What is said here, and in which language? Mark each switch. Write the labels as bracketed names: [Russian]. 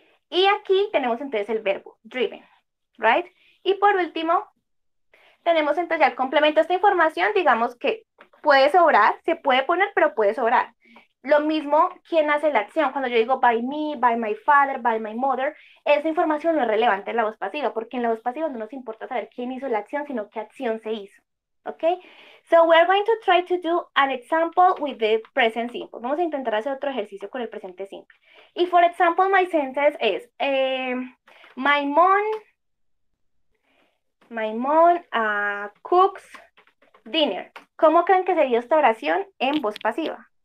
[Spanish] Y aquí tenemos entonces el verbo, driven, ¿right? Y por último, tenemos entonces el complemento a esta información, digamos que puede sobrar, se puede poner, pero puede sobrar. Lo mismo, ¿quién hace la acción? Cuando yo digo [English] by me, by my father, by my mother, [Spanish] esa información no es relevante en la voz pasiva, porque en la voz pasiva no nos importa saber quién hizo la acción, sino qué acción se hizo, ¿ok? [English] So we're going to try to do an example with the present simple. [Spanish] Vamos a intentar hacer otro ejercicio con el presente simple. [English] Y for example, my sentence is, my mom cooks dinner. [Spanish] ¿Cómo creen que sería esta oración en voz pasiva?